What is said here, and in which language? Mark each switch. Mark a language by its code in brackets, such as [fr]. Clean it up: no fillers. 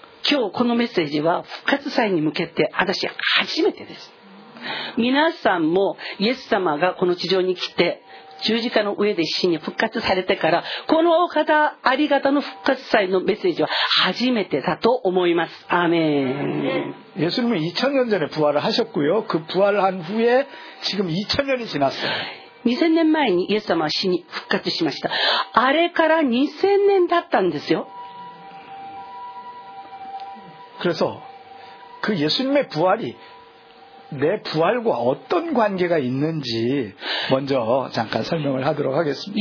[ja] 今日このメッセージは復活祭に向けて私初めてです。皆さんもイエス様がこの地上に来て十字架の上で死に復活されてから、この方あり方の復活祭のメッセージは初めてだと思います。アーメン。 [ko] イエス님은2000년전에부활을하셨고요。 그부활한후에지금2000년이지났어요。 [ja] 2000年前にイエス様は死に復活しました。あれから2000年だったんですよ。 [ko] 그래서그예수님의부활이내부활과어떤관계가있는지먼저잠깐설명을하도록하겠습니다。